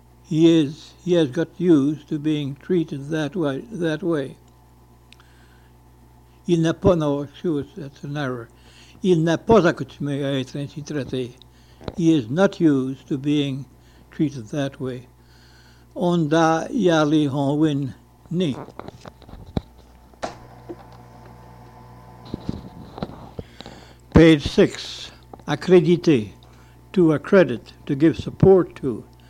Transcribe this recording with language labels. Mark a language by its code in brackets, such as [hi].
[en] He has got used to being treated that way. [fr] Il n'a pas, [en] no, excuse, that's an error. [fr] Il n'a pas accoutumé à être ainsi traité. [en] He is not used to being treated that way. Onda Yali Hon Win Ni. Page 6, accrédité, to accredit, to give support to.